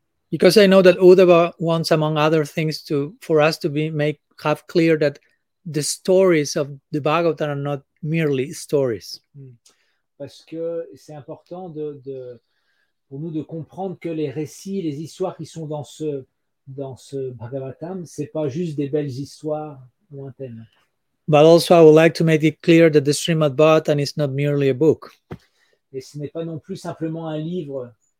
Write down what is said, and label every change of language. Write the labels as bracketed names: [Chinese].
[English] Because I know that Uddhava wants, among other things, have clear that the stories of the Bhagavatam are not merely stories. [French] Parce que c'est important pour nous de comprendre que les récits, les histoires qui sont dans ce Bhagavatam, c'est pas juste des belles histoires lointaines. [English] But also, I would like to make it clear that the Srimad Bhagavatam is not merely a book. [French] Et ce n'est pas non plus simplement un livre.